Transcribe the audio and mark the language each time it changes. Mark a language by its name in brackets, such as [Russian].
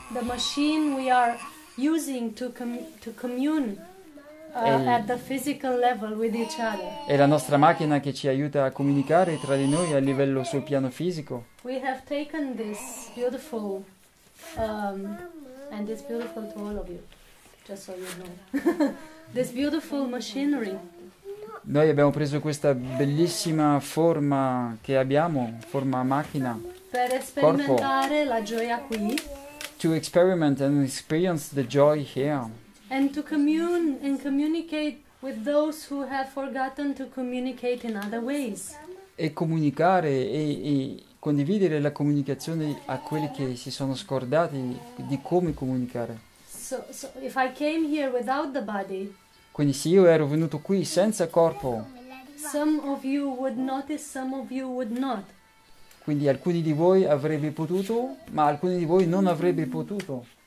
[English] the machine we are using to commune at the physical level with each other. [Italian] È la nostra macchina che ci aiuta a comunicare tra di noi a livello sul piano fisico. [English] We have taken this beautiful, and it's beautiful to all of you, just so you know. This beautiful machinery. [Italian] Noi abbiamo preso questa bellissima forma che abbiamo, forma macchina, Per corpo, sperimentare la gioia qui. [English] to experiment and experience the joy here. And to commune and communicate with those who have forgotten to communicate in other ways. [Italian] E comunicare e condividere la comunicazione a quelli che si sono scordati di come comunicare. [English] So if I came here without the body, [Italian] Quindi se io ero venuto qui senza corpo, [English] some of you would notice, some of you would not. [Italian] quindi alcuni di voi avrebbe potuto, ma alcuni di voi non avrebbe potuto.